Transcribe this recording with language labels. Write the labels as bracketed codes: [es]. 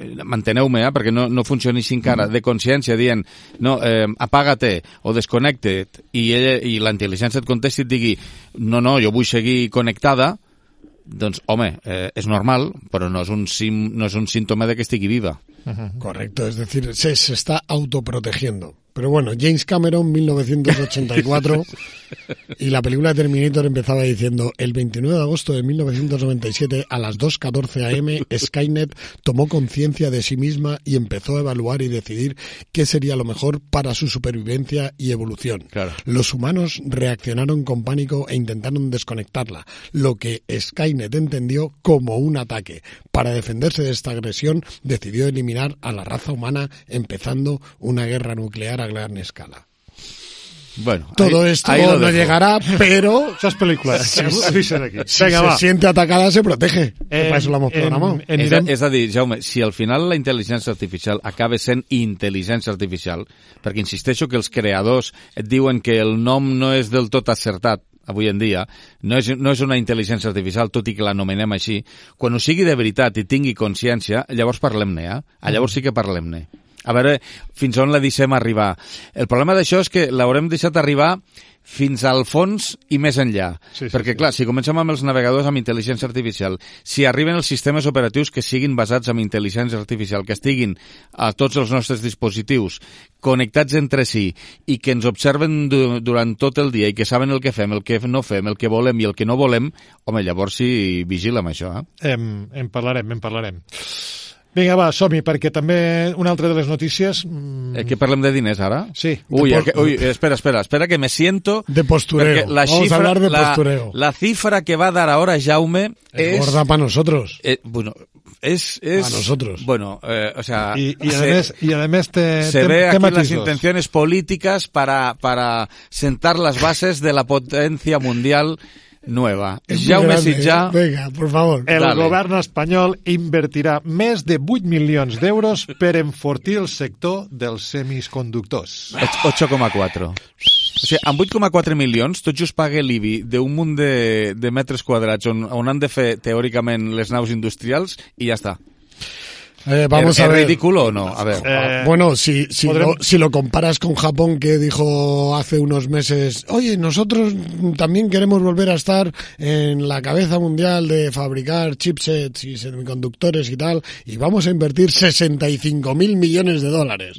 [ca] Manteneu-me, perquè no funciona així encara, de consciència, dient no, apaga-te o desconnecta't i la intel·ligència et contesti i et digui no, jo vull seguir connectada, doncs, home, és normal, però no és un símptoma de que estigui viva. [es] Correcto, es decir, se está autoprotegiendo. Pero bueno, James Cameron, 1984, y la película Terminator empezaba diciendo: el 29 de agosto de 1997, a las 2:14 a.m., Skynet tomó conciencia de sí misma y empezó a evaluar y decidir qué sería lo mejor para su supervivencia y evolución. Claro. Los humanos reaccionaron con pánico e intentaron desconectarla, lo que Skynet entendió como un ataque. Para defenderse de esta agresión, decidió eliminar a la raza humana, empezando una guerra nuclear a gran escala. Bueno, todo esto no llegará, pero esas películas. Se siente atacada, se protege. Para eso lo hemos programado. [ca] És a dir, Jaume, si al final la intel·ligència artificial acaba sent intel·ligència artificial, perquè insisteixo que els creadors et diuen que el nom no és del tot acertat avui en dia, no és una intel·ligència artificial, tot i que l'anomenem així, quan ho sigui de veritat i tingui consciència, llavors parlem-ne, llavors sí que parlem-ne. A veure fins on la deixem arribar. El problema d'això és que l'haurem deixat arribar fins al fons i més enllà. Sí, perquè, sí. Clar, si comencem amb els navegadors amb intel·ligència artificial, si arriben els sistemes operatius que siguin basats en intel·ligència artificial, que estiguin a tots els nostres dispositius connectats entre si i que ens observen durant tot el dia i que saben el que fem, el que no fem, el que volem i el que no volem, home, llavors sí, vigila amb això. En parlarem. Vinga, va, som-hi, perquè també una altra de les notícies... Que parlem de diners, ara? Sí. [es] Espera, que me siento... De postureo. Vamos a hablar de postureo. La cifra que va a dar ahora Jaume es gorda para nosotros. Es a nosotros. Bueno, además te matizos. Se ve aquí las intenciones políticas para sentar las bases de la potencia mundial... Nueva. Jaume Sitjà. Venga, por favor. [ca] El govern espanyol invertirà més de 8 milions d'euros per enfortir el sector dels semiconductors. 8,4. O sigui, amb 8,4 milions, tot just paga l'IBI d'un munt de metres quadrats on han de fer, teòricament, les naus industrials i ja està. [es] Vamos ¿Es a ver. Ridículo o no? A ver. Bueno, si lo comparas con Japón, que dijo hace unos meses, oye, nosotros también queremos volver a estar en la cabeza mundial de fabricar chipsets y semiconductores y tal, y vamos a invertir 65 mil millones de dólares.